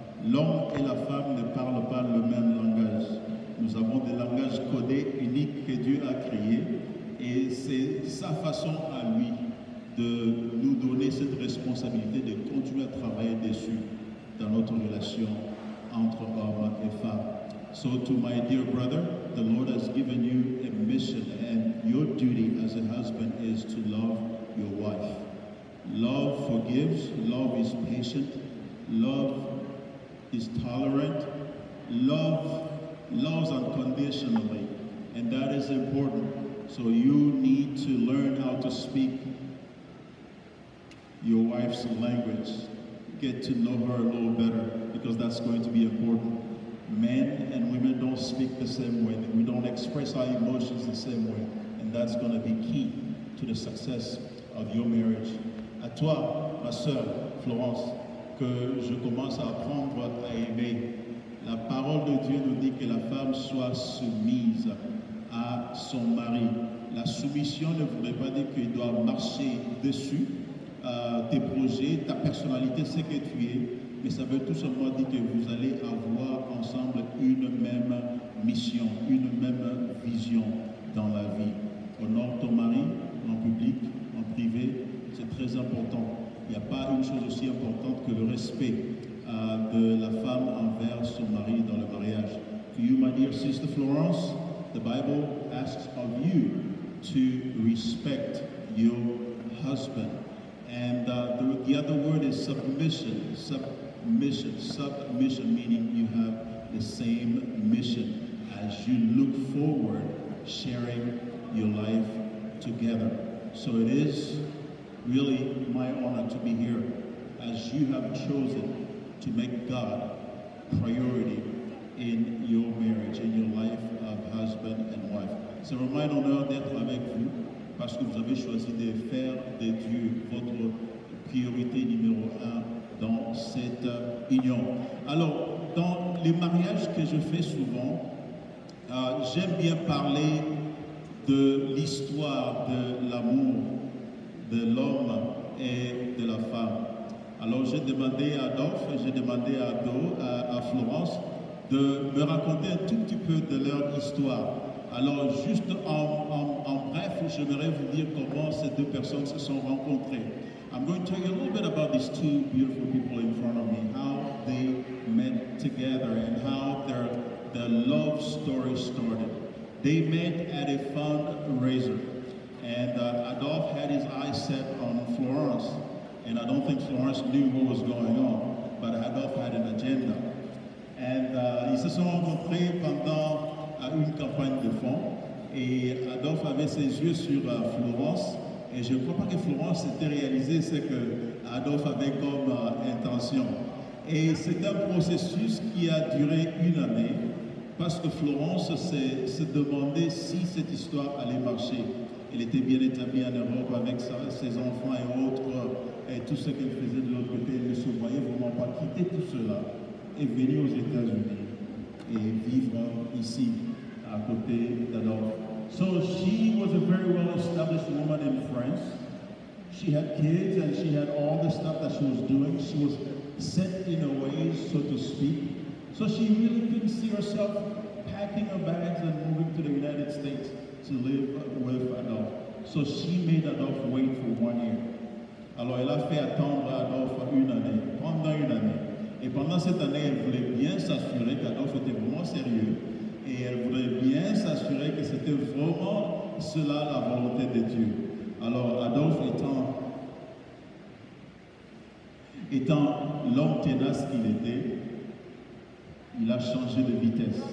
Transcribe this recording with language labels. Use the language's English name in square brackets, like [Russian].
[French] L'homme et la femme ne parlent pas le même langage. Nous avons des langages codés uniques que Dieu a créés. Et c'est sa façon à lui de nous donner cette responsabilité de continuer à travailler dessus dans notre relation entre homme et femme. [English] So to my dear brother, the Lord has given you a mission, and your duty as a husband is to love your wife. Love forgives, love is patient, love is tolerant, love loves unconditionally, and that is important. So you need to learn how to speak your wife's language. Get to know her a little better, because that's going to be important. Men and women don't speak the same way. We don't express our emotions the same way. And that's going to be key to the success of your marriage. [French] À toi, ma sœur Florence, que je commence à apprendre à aimer. La parole de Dieu nous dit que la femme soit soumise à son mari. La soumission ne voudrait pas dire qu'il doit marcher dessus tes projets, ta personnalité, ce que tu es. Mais ça veut tout simplement dire que vous allez avoir ensemble une même mission, une même vision dans la vie. Honore ton mari, en public, en privé, c'est très important. Il n'y a pas une chose aussi importante que le respect de la femme envers son mari dans le mariage. [English] To you, my dear sister Florence, the Bible asks of you to respect your husband. And the other word is submission. Submission, meaning you have the same mission as you look forward sharing your life together. So it is really my honor to be here as you have chosen to make God priority in your marriage, in your life of husband and wife. [French] C'est vraiment un honneur d'être avec vous parce que vous avez choisi de faire de Dieu votre priorité numéro un dans cette union. Alors, dans les mariages que je fais souvent, j'aime bien parler de l'histoire de l'amour de l'homme et de la femme. Alors, j'ai demandé à Adolphe, j'ai demandé à Ado, à Florence, de me raconter un tout petit peu de leur histoire. Alors, juste en bref, j'aimerais vous dire comment ces deux personnes se sont rencontrées. [English] I'm going to tell you a little bit about these two beautiful people in front of me, how they met together and how their love story started. They met at a fundraiser, and Adolphe had his eyes set on Florence, and I don't think Florence knew what was going on, but Adolphe had an agenda. [French] And ils se sont rencontrés pendant une campagne de fonds, et Adolphe avait ses yeux sur Florence. Et je ne crois pas que Florence s'était réalisé ce que Adolphe avait comme intention. Et c'est un processus qui a duré une année parce que Florence s'est demandé si cette histoire allait marcher. Elle était bien établie en Europe avec ses enfants et autres et tout ce qu'elle faisait de l'autre côté. Elle ne se voyait vraiment pas quitter tout cela et venir aux États-Unis et vivre ici à côté d'Adolphe. [English] So she was a very well-established woman in France. She had kids and she had all the stuff that she was doing. She was set in her ways, so to speak. So she really couldn't see herself packing her bags and moving to the United States to live with Adolphe. So she made Adolphe wait for 1 year. [French] Alors elle a fait attendre Adolphe pendant une année. Et pendant cette année, elle voulait bien s'assurer qu'Adolphe était vraiment sérieux. Et elle voulait bien s'assurer que c'était vraiment cela la volonté de Dieu. Alors Adolphe étant l'homme ténace qu'il était, il a changé de vitesse.